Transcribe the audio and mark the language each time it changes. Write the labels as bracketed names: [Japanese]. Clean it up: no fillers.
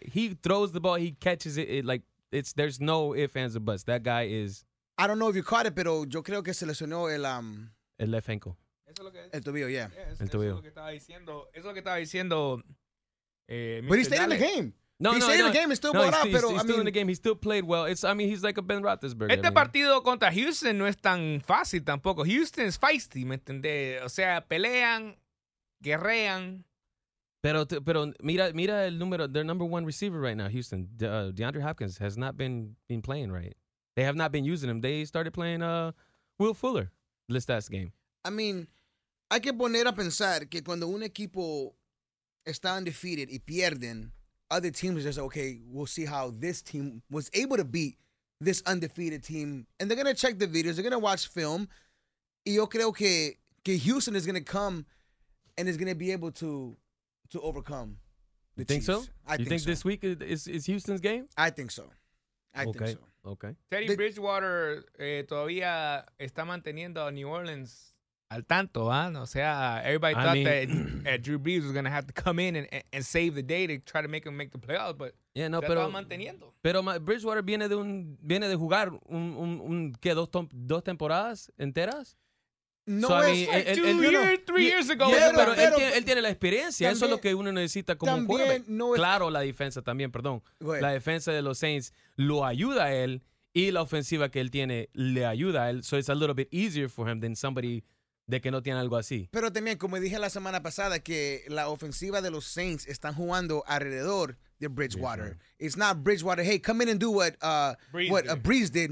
[English] He throws the ball, he catches it. There's no ifs, ands, or buts. That guy is. I don't know if you caught it, [Spanish] pero yo creo que se lesionó el. [English] El left ankle. [Spanish] El tobillo, yeah. El tobillo. Eso es lo que estaba diciendo. [English] But he stayed in the game. He's still in the game. He still played well. He's like a Ben Roethlisberger. [Spanish] Partido contra Houston no es tan fácil tampoco. Houston es feisty, ¿me entiendes? O sea, pelean, guerrean. Pero mira el número. [English] Their number one receiver right now, Houston, DeAndre Hopkins, has not been playing right. They have not been using him. They started playing Will Fuller this last game. I mean, [Spanish] hay que poner a pensar que cuando un equipo está [English] undefeated y pierden, other teams are just like, okay, we'll see how this team was able to beat this undefeated team. And they're going to check the videos. They're going to watch film. [Spanish] Y yo creo que [English] Houston is going to come and is going to be able to overcome the Chiefs. You think so? You think this week is Houston's game? I think so. I think so. Okay. [Spanish] Teddy Bridgewater todavía está manteniendo a New Orleans al tanto, ¿eh? [English] O sea, everybody thought that Drew Brees was going to have to come in and save the day to try to make the playoffs, but [Spanish] yeah, no, pero, manteniendo. Pero Bridgewater viene de jugar dos temporadas enteras. [English] Three years ago. [Spanish] Yeah, pero él tiene la experiencia. También, eso es lo que uno necesita como un quarterback. No es, claro, la defensa también, perdón. La defensa de los Saints lo ayuda a él y la ofensiva que él tiene le ayuda a él. [English] So it's a little bit easier for him than somebody [Spanish] de que no tiene algo así. Pero también, como dije la semana pasada, que la ofensiva de los Saints están jugando alrededor de Bridgewater. [English] Yes, it's not Bridgewater, hey, come in and do what Breeze did.